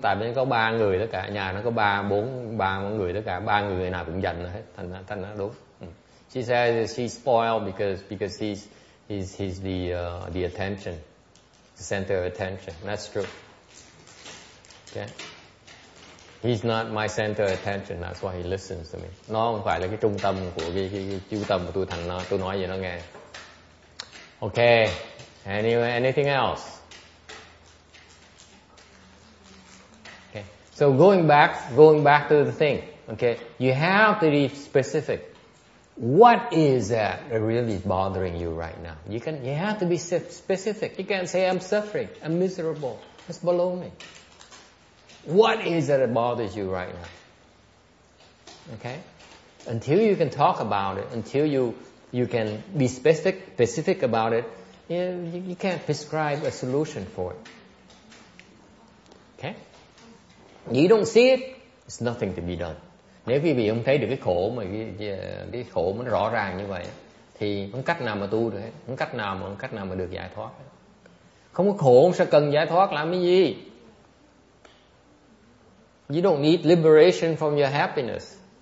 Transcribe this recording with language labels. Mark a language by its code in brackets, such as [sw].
[vi] Tại vì có ba người tất cả, nhà nó có ba người tất cả, ba người nào cũng giận hết. Thành nó đúng. [en] She says she spoiled because he's the attention, the center of attention. That's true. Okay. He's not my center of attention. That's why he listens to me. [vi] Nó không phải là cái trung tâm của cái trung tâm của tôi. Thành nó, tôi nói gì nó nghe. [en] Okay. Anything else? So going back to the thing, okay, you have to be specific. What is that really bothering you right now? You have to be specific. You can't say, I'm suffering, I'm miserable, it's baloney. What is it that bothers you right now? Okay? Until you can talk about it, until you can be specific about it, you can't prescribe a solution for it. Okay? You don't see it, it's nothing to be done. [vi] Nếu quý vị không thấy được cái khổ mà cái khổ mà nó rõ ràng như vậy thì không cách nào mà tu được hết, không cách nào mà được giải thoát. Không có khổ sao cần giải thoát làm cái gì? [en] You don't need liberation from your happiness.